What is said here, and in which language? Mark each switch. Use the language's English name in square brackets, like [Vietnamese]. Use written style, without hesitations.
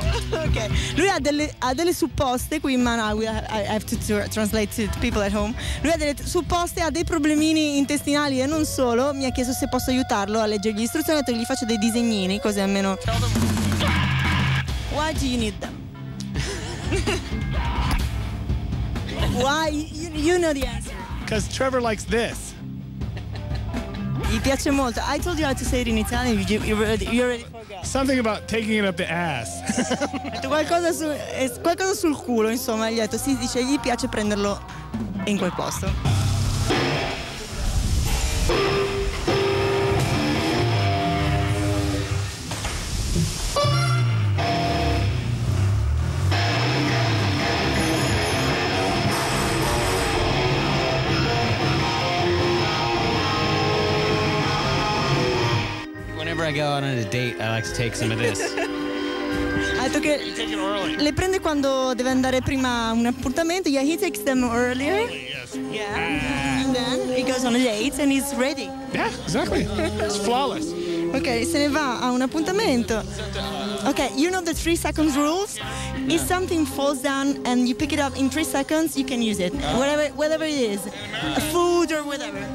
[English] Okay. [Italian] Lui ha delle supposte qui in Manaus. [English] I have to translate to people at home. [Italian] Lui ha delle supposte, ha dei problemini intestinali e non solo. Mi ha chiesto se posso aiutarlo a leggere gli istruzioni, gli faccio dei disegnini, così almeno. [English] Why do you need them? Why? You know the answer. Because Trevor likes this. [Italian] Gli piace molto. [English] I told you how to say it in Italian. You already forgot. Something about taking it up the ass. [Italian] qualcosa sul culo, insomma, gli ha detto. Si dice gli piace prenderlo in quel posto. [English] I go on a date, I like to take some of this. [Italian] Le prende quando deve andare prima un appuntamento. [English] Yeah, he takes them earlier. Yes. Yeah. And then he goes on a date and he's ready. Yeah, exactly. It's flawless. Okay, [Italian] se ne va a un appuntamento. [English] Okay, you know the 3 seconds rules? No. If something falls down and you pick it up in 3 seconds, you can use it. Whatever it is. Food or whatever.